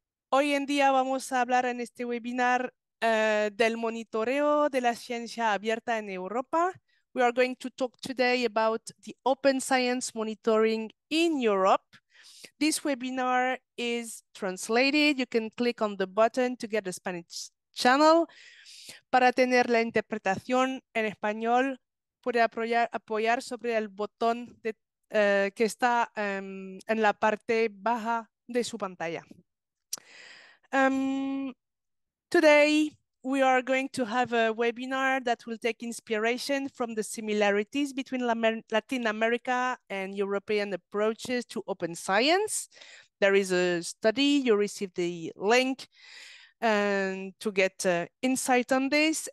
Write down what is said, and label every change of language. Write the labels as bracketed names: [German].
[Spanish] Hoy en día vamos a hablar en este webinar del monitoreo de la ciencia abierta en Europa. [English] We are going to talk today about the open science monitoring in Europe. This webinar is translated. You can click on the button to get a Spanish channel. [Spanish] Para tener la interpretación en español, puede apoyar sobre el botón de, que está en la parte baja de su pantalla. [English] Today, we are going to have a webinar that will take inspiration from the similarities between Latin America and European approaches to open science. There is a study, you received the link. And to get insight on this.